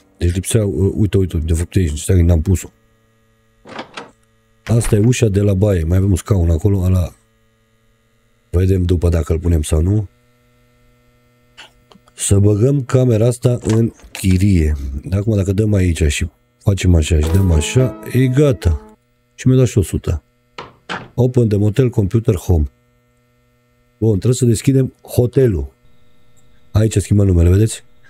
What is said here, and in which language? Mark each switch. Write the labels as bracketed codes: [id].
[ro] Deci lipsea, uite, de fapt aici, nu știu, n-am pus-o. Asta e ușa de la baie, mai avem un scaun acolo, ala. Vedem după dacă îl punem sau nu. Să băgăm camera asta în chirie. De acum, dacă dăm aici și facem așa și dăm așa, e gata. Și mi-a dat și 100. [en] Open the motel computer home. [ro] Bun, trebuie să deschidem hotelul. Aici schimbăm numele, vedeți?